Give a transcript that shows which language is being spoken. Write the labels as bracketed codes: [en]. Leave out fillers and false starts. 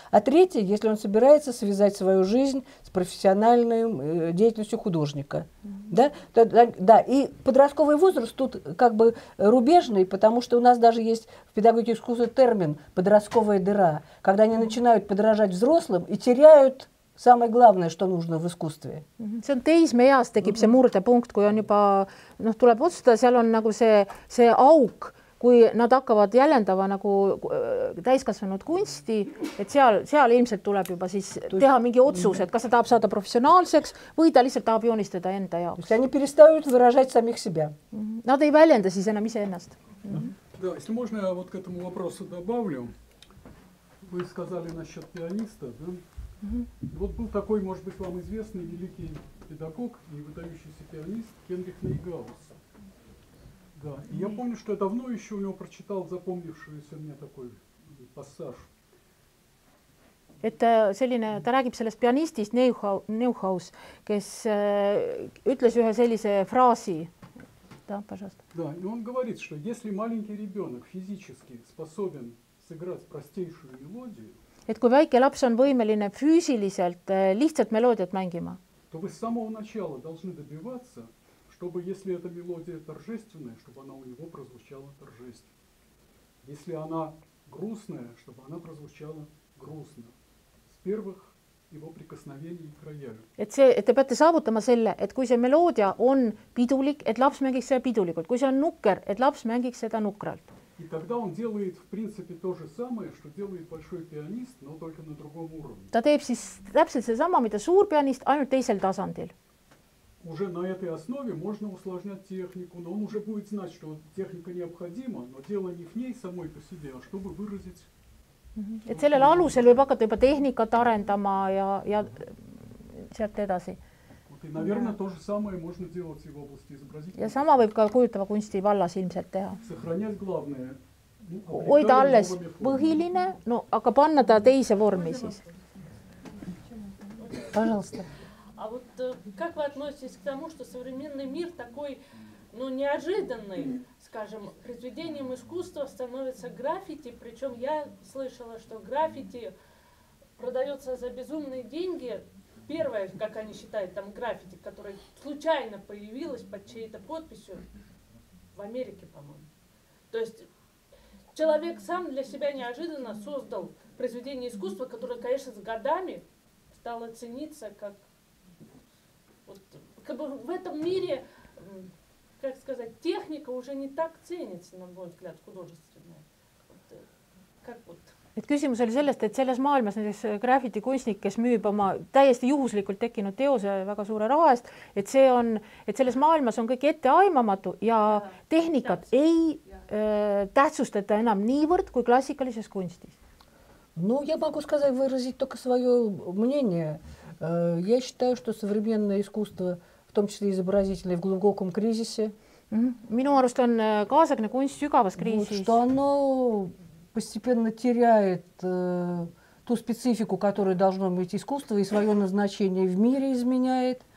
[ru] А третья, если он собирается связать свою жизнь с профессиональной деятельностью художника. Mm-hmm. Да? Да, и подростковый возраст тут как бы рубежный, потому что у нас даже есть в педагогике искусства термин «подростковая дыра», когда они начинают подражать взрослым и теряют самое главное, что нужно в искусстве. [et] See on teismeeas tekib see murdepunkt, kui on juba, noh, tuleb otsustada, seal on nagu see auk, kui nad hakkavad jäljendava nagu täiskasvanud kunsti, et seal ilmselt tuleb juba siis teha mingi otsus, et kas ta tahab saada professionaalseks või ta lihtsalt tahab joonistada enda jaoks. See on nii peristavad võražaid samiks sibe. Nad ei väljenda siis enam ise ennast. [ru] Da, если можно, я вот к этому вопросу добавлю. Вы сказали насчет пианиста, да? Mm-hmm. Вот был такой, может быть, вам известный великий педагог и выдающийся пианист Генрих Нейгаус. Да. И я помню, что я давно еще у него прочитал запомнившийся мне такой пассаж. Это [et] selline, ta räägib sellest pianistist Neuhaus, kes ütles ühe sellise фразу. [ru] Да, пожалуйста. Да, и он говорит, что если маленький ребенок физически способен сыграть простейшую мелодию, [et] et kui väike laps on võimeline füüsiliselt lihtsalt meloodiat mängima. [ru] То вы с самого начала должны добиваться, чтобы если эта мелодия торжественная, чтобы она у него прозвучала торжественно. Если она грустная, чтобы она прозвучала грустно. С первых его прикосновений к роялю. [et] Et see, et te peate saavutama selle, et kui see meloodia on pidulik, et laps mängiks seda pidulikult. Kui see on nukker, et laps mängiks seda nukralt. [ru] И тогда он делает, в принципе, то же самое, что делает большой пианист, но только на другом уровне. [et] Ta teeb siis täpselt see sama, mida suur pianist, ainult teisel tasandil. [ru] Уже на этой основе можно усложнять технику, но он уже будет знать, что техника необходима, но дело не в ней самой по себе, а чтобы выразить. [et] Et sellel alusel võib hakata juba tehnikat arendama ja sealt edasi. [ru] Вот, и, наверное, то же самое можно делать и в области изобразительности. [et] Ja sama võib ka kujutava kunsti vallas ilmselt teha. [ru] Сохранять главное. [et] Ой, ta alles põhiline, no aga panna ta teise vormi siis. [ru] Пожалуйста. А вот как вы относитесь к тому, что современный мир такой, ну, неожиданный, скажем, произведением искусства становится граффити, причем я слышала, что граффити продается за безумные деньги. Первое, как они считают, там граффити, которое случайно появилось под чьей-то подписью в Америке, по-моему. То есть человек сам для себя неожиданно создал произведение искусства, которое, конечно, с годами стало цениться, как... Вот, как бы в этом мире, как сказать, техника уже не так ценится, на мой взгляд, художественная. Вот, как вот... [et] Et küsimus oli sellest, et selles maailmas näiteks graffiti kunstnik, kes müüb oma täiesti juhuslikult tekinud teose väga suure rahast, et see on, et selles maailmas on kõik ette aimamatu ja tehnikat ei tähtsustata enam niivõrd kui klassikalises kunstis. [ru] Ну, я могу сказать, выразить только свое мнение. Я считаю, что современное искусство, в том числе изобразительное, в глубоком кризисе. [et] Minu arust on kaasagne kunst sügavas kriisis. [ru] Что оно... постепенно теряет ту специфику, которая должно быть искусство, и свое назначение в мире изменяет.